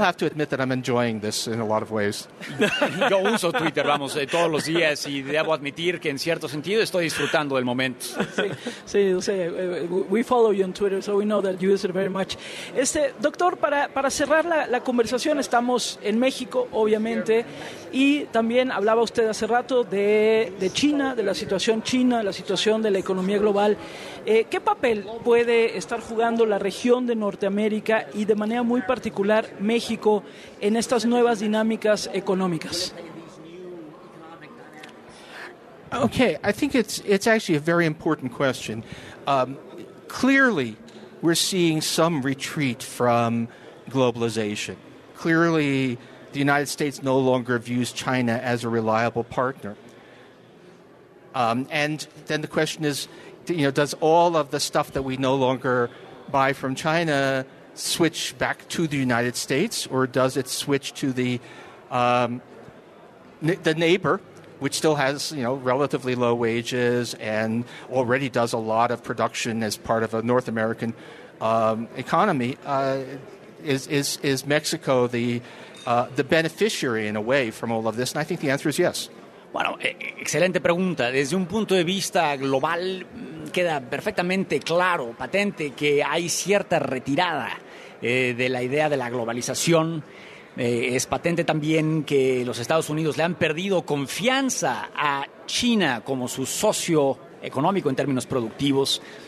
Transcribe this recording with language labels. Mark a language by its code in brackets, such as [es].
[en] have to admit that I'm enjoying this in a lot of ways. [es] Yo uso Twitter, vamos, todos los días, y debo admitir que en cierto sentido estoy disfrutando del momento. [en] Sí, we follow you on Twitter, so we know that you use it very much. [es] Doctor, para cerrar la conversación, estamos en México, obviamente, y también hablaba usted hace rato de China, de la situación china, de la situación de la economía global. ¿Qué papel puede estar jugando la región de Norteamérica y de manera muy particular México en estas nuevas dinámicas económicas? [en] Okay, I think it's actually a very important question. Clearly, we're seeing some retreat from globalization. Clearly, the United States no longer views China as a reliable partner. And then the question is, you know, does all of the stuff that we no longer buy from China switch back to the United States, or does it switch to the neighbor, which still has, you know, relatively low wages and already does a lot of production as part of a North American economy? Is Mexico the beneficiary in a way from all of this? And I think the answer is yes. [es] Bueno, excelente pregunta. Desde un punto de vista global, queda perfectamente claro, patente, que hay cierta retirada de la idea de la globalización. Es patente también que los Estados Unidos le han perdido confianza a China como su socio económico en términos productivos.